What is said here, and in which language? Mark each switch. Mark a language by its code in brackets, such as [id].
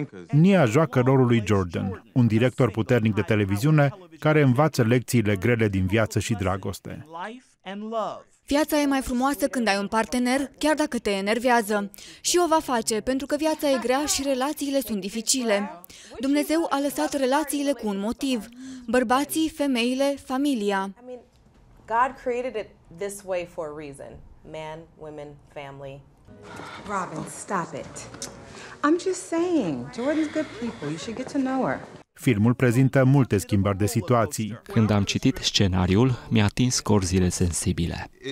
[ro] Nia joacă rolul lui Jordan, un director puternic de televiziune care învață lecțiile grele din viață și dragoste. Viața e mai frumoasă când ai un partener, chiar dacă te enervează. Și o va face, pentru că viața e grea și relațiile sunt dificile. Dumnezeu a lăsat relațiile cu un motiv. Bărbații, femeile, familia. [en] God created it this way for a reason. Man, women, family. Robin, stop it. I'm just saying, Jordan's good people, you should get to know her. [ro] Filmul prezintă multe schimbări de situații. Când am citit scenariul, mi-a atins corzile sensibile.